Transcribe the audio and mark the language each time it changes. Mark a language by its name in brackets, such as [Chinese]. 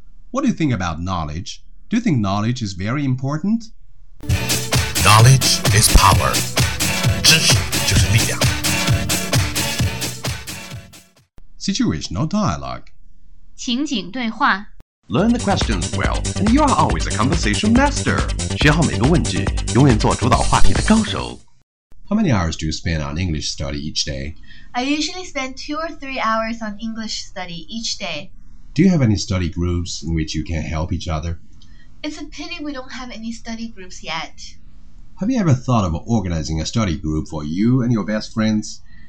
[English] What do you think about knowledge? Do you think knowledge is very important? Knowledge is power. [Chinese] 知识就是力量。 [English] Situational dialogue. [Chinese] 情景对话。 [English] Learn the questions well, and you are always a conversation master. [Chinese] 学好每个问句，永远做主导话题的高手。 [English] How many hours do you spend on English study each day? I usually spend 2 or 3 hours on English study each day. Do you have any study groups in which you can help each other? It's a pity we don't have any study groups yet. Have you ever thought of organizing a study group for you and your best friends?